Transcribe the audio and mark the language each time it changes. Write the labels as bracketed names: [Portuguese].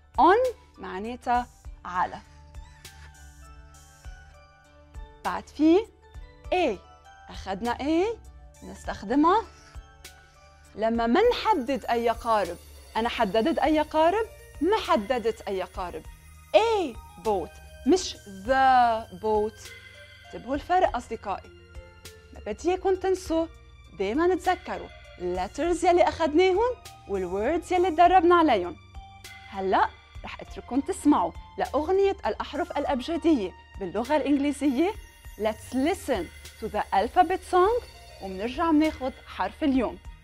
[Arabic] on معناتها على. بعد في a. أخذنا a نستخدمها لما ما نحدد أي قارب. أنا حددت أي قارب؟ ما حددت أي قارب. [English] a boat مش the boat. [Arabic] انتبهوا الفرق أصدقائي. ما بدي إياكم تنسوا، دايما تذكروا letters يلي أخذناهم والwords يلي دربنا عليهم. هلأ رح أترككم تسمعوا لأغنية الأحرف الأبجدية باللغة الإنجليزية. [English] Let's listen to the alphabet song [Arabic] ومنرجع مناخد حرف اليوم.